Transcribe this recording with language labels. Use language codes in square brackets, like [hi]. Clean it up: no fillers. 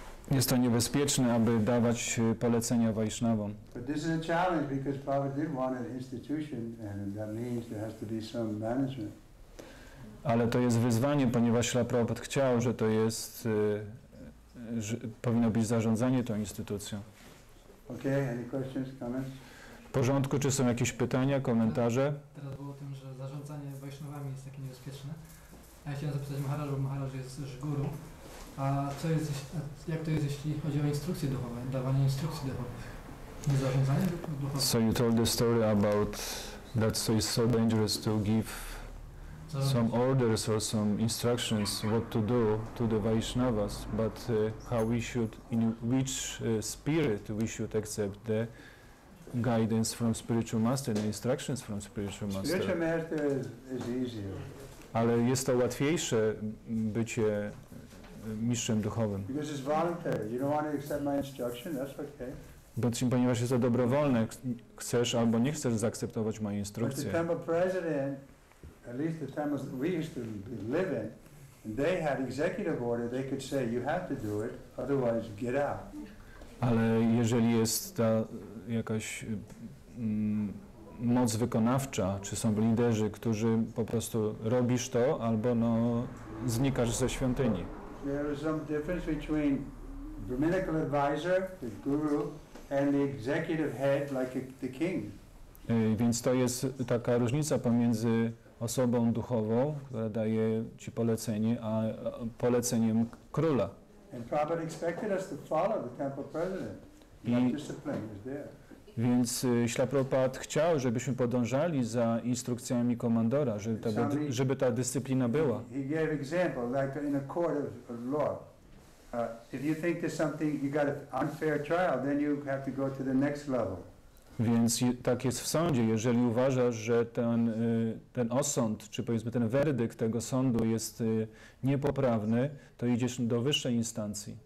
[pl] Jest to niebezpieczne, aby dawać polecenia Vaishnavom. [en] But this is a challenge, because Prabhupada did want an institution, and that means there has to be some management. [pl] Ale to jest wyzwanie, ponieważ Śrila Prabhupada chciał, że to jest, że powinno być zarządzanie tą instytucją. [en] Okay, any questions, comments? [pl] W porządku, czy są jakieś pytania, komentarze? Teraz było o tym, że zarządzanie Vaishnavami jest takie niebezpieczne. A ja chciałem zapytać Maharaj, bo Maharaj jest już guru. A co jest, jak to jest, jeśli chodzi o instrukcje duchowe, dawanie instrukcji duchowych? Nie zarządzanie duchowe? [en] So you told the story about that, so it's so dangerous to give some orders or some instructions what to do to the Vaishnavas, but how we should, in which spirit we should accept the guidance from spiritual master and instructions from spiritual master. Spiritual master is easier. [pl] Ale jest to łatwiejsze bycie mistrzem duchowym. [en] Because it's voluntary. You don't want to accept my instruction, that's okay. [pl] Bo czym, ponieważ jest to dobrowolne, chcesz albo nie chcesz zaakceptować mojej instrukcji. [en] But the temple president, at least the temples that we used to live in, they had executive order, they could say you have to do it, otherwise get out. [pl] Ale jeżeli jest ta jakaś moc wykonawcza, czy są liderzy, którzy po prostu robisz to, albo no, znikasz ze świątyni. [en] There is some difference between Brahminical advisor, the guru, and the executive head, like the king. [pl] Więc to jest taka różnica pomiędzy osobą duchową, która daje ci polecenie, a poleceniem króla. [en] And Prabhupada expected us to follow the temple president. That discipline is there. [pl] Więc Śla Prabhupada chciał, żebyśmy podążali za instrukcjami komandora, żeby ta dyscyplina była. [en] He gave example, like in a court of law. If you think there's something, you got an unfair trial, then you have to go to the next level. [pl] Więc tak jest w sądzie, jeżeli uważasz, że ten osąd, czy powiedzmy ten werdykt tego sądu jest niepoprawny, to idziesz do wyższej instancji.